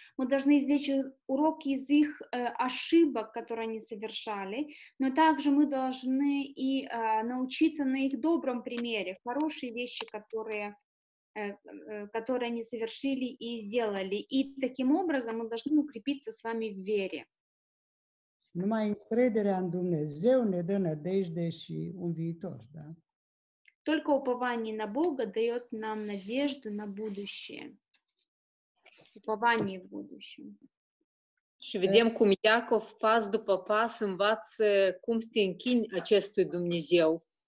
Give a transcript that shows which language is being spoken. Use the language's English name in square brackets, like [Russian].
[Russian] Мы должны извлечь урок из их ошибок, которые они совершали, но также мы должны и научиться на их добром примере, хорошие вещи, которые они совершили и сделали. И таким образом мы должны укрепиться с вами в вере. [Romanian] Numai încrederea în Dumnezeu ne dă nădejde și un viitor, da? [Russian] Только упование на Бога даёт нам надежду на будущее. Упование в будущем. [Romanian] Și vedem cum Iacov pas după pas învață cum să închin acestui Dumnezeu.